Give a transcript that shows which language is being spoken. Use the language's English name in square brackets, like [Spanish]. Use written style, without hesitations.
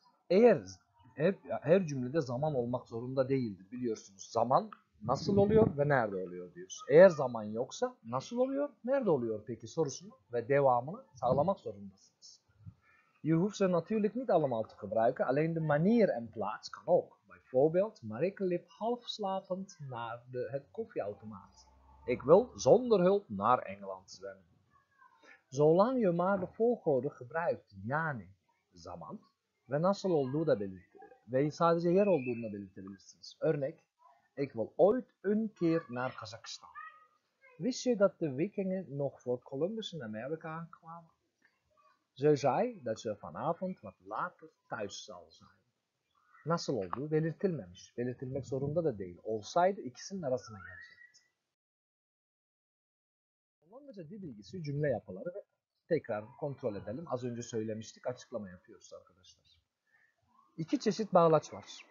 [Turkish] Eğer her cümlede zaman olmak zorunda değildir biliyorsunuz. Zaman nasıl oluyor ve nerede oluyor diyoruz. Eğer zaman yoksa nasıl oluyor, nerede oluyor peki sorusunu ve devamını sağlamak zorundasınız. [Dutch] Je hoeft ze natuurlijk niet allemaal te gebruiken. Alleen de manier en plaats kan ook. Bijvoorbeeld, Marike liep half slapend naar het koffieautomaat. Ik wil zonder hulp naar Engeland zwemmen. Zolang je maar de volgorde gebruikt, [Turkish] yani zaman ve nasıl olduğu da belirtilir. Ve sadece yer olduğunu da belirtebilirsiniz. Örnek, [Dutch] ik wil ooit een keer naar Kazakhstan. Wist je dat de Vikingen nog voor Columbus in Amerika aankwamen? Ze zei dat ze vanavond wat later thuis zal zijn. [Turkish] Nasıl oldu? Belirtilmemiş. Belirtilmek zorunda da değil. Olsaydı ikisinin arasına gelecekti. Hollandaca dil bilgisi cümle yapıları ve tekrar kontrol edelim. Az önce söylemiştik, açıklama yapıyoruz arkadaşlar. İki çeşit bağlaç var.